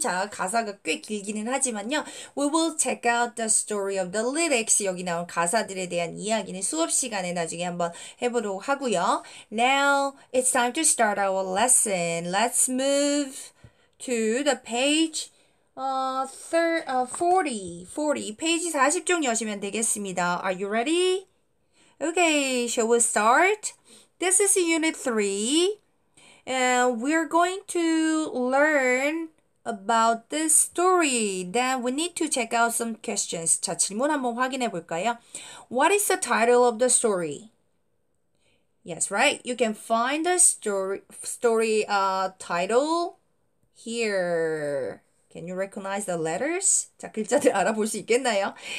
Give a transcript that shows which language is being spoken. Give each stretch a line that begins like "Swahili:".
Korean: 자, 가사가 꽤 길기는 하지만요.
English: We will check out the story of the lyrics.
Korean: 여기 나온 가사들에 대한 이야기는 수업 시간에 나중에 한번 해보도록 하고요.
English: Now it's time to start our lesson. Let's move to the page 40.
Korean: 페이지 40쪽 여시면 되겠습니다.
English: Are you ready? Okay, shall we start? This is Unit 3. And we're going to learn about this story. Then we need to check out some questions.
Korean: 자, 질문 한번 확인해 볼까요?
English: What is the title of the story? Yes, right. You can find the story title here. Can you recognize the letters?
Korean: 자, 글자들 알아볼 수 있겠나요?